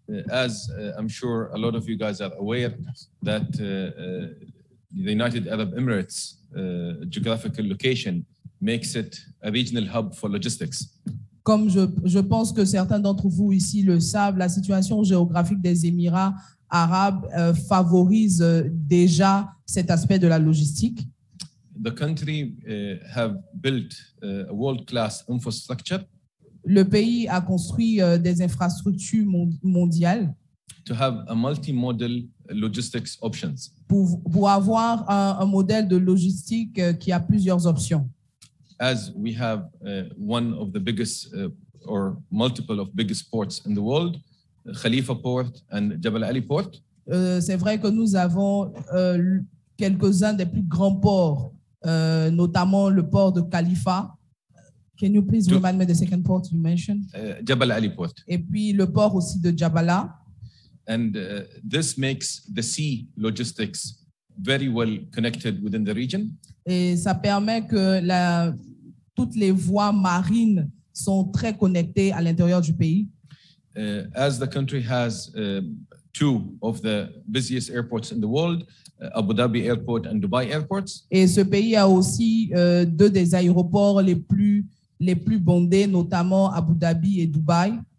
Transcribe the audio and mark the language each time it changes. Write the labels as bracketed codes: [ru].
[en] As I'm sure a lot of you guys are aware that the United Arab Emirates geographical location makes it a regional hub for logistics. [fr] Comme je pense que certains d'entre vous ici le savent, la situation géographique des Émirats arabes favorise déjà cet aspect de la logistique. [en] The country have built a world-class infrastructure. [fr] Le pays a construit des infrastructures mondiales. [en] To have a multi-modal logistics options. [fr] Pour avoir un modèle de logistique qui a plusieurs options. [en] As we have one of the biggest or multiple of biggest ports in the world, Khalifa Port and Jebel Ali Port. [fr] C'est vrai que nous avons quelques-uns des plus grands ports, notamment le port de Khalifa. [en] Can you please remind me the second port you mentioned? Jebel Ali Port. [fr] Et puis le port aussi de Jabala. [en] And this makes the sea logistics very well connected within the region. [fr] Et ça permet que toutes les voies marines sont très connectées à l'intérieur du pays. [en] As the country has two of the busiest airports in the world, Abu Dhabi Airport and Dubai Airports. [fr] Et ce pays a aussi deux des aéroports les plus bondés, notamment Abu Dhabi et Dubai.